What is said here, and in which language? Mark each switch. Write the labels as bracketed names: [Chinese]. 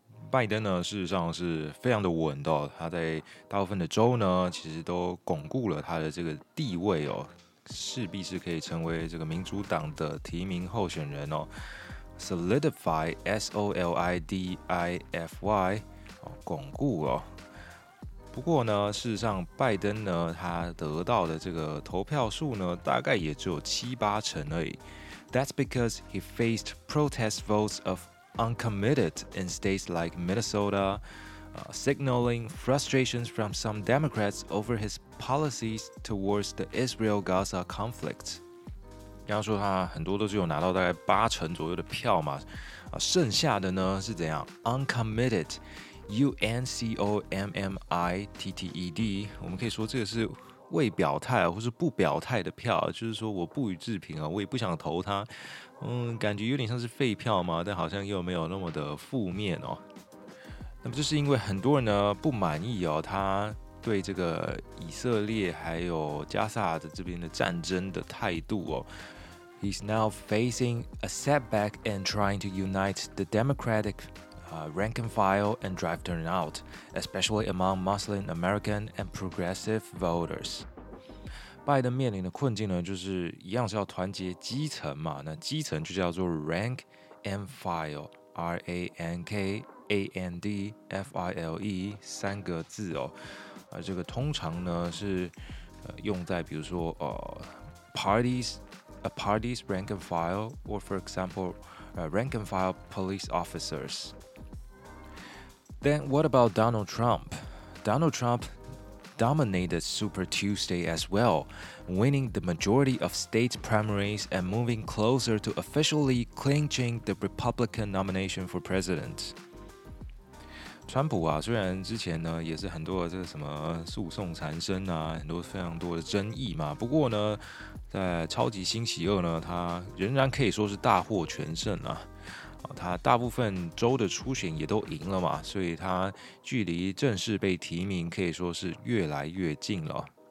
[Chinese] 拜登呢，事实上是非常的稳的、哦，他在大部分的州呢，其实都巩固了他的这个地位哦，势必是可以成为这个民主党的提名候选人哦。 [English] solidify, S-O-L-I-D-I-F-Y, 巩固哦。 [Chinese] 不过呢，事实上拜登呢，他得到的这个投票数呢，大概也只有七八成而已。 [English] That's because he faced protest votes of uncommitted in states like Minnesota, signaling frustrations from some Democrats over his policies towards the Israel-Gaza conflict. [Chinese] 刚刚说他很多都是有拿到大概八成左右的票嘛，剩下的呢是怎样 ？Uncommitted, U N C O M M I T T E D， 我们可以说这个是未表态或是不表态的票，就是说我不予置评啊，我也不想投他，感觉有点像是废票嘛，但好像又没有那么的负面哦。那么这是因为很多人呢不满意哦，他对这个以色列还有加萨的这边的战争的态度哦。 [English] He's now facing a setback and trying to unite the Democratic, rank and file and drive turnout, especially among Muslim American and progressive voters. [Chinese] 拜登面临的困境呢，就是一样是要团结基层嘛，那基层就叫做 rank and file, R-A-N-K-A-N-D-F-I-L-E, 三个字哦。这个通常呢是用在比如说 [English] parties rank and file or for example rank and file police officers. Then what about Donald Trump? Donald Trump dominated Super Tuesday as well, winning the majority of state primaries and moving closer to officially clinching the Republican nomination for president. [Chinese] 川普啊，虽然之前呢也是很多的这个什么诉讼缠身啊，很多非常多的争议嘛，不过呢，在超级星期二呢，他仍然可以说是大获全胜啊。他大部分州的初选也都赢了嘛，所以他距离正式被提名可以说是越来越近了。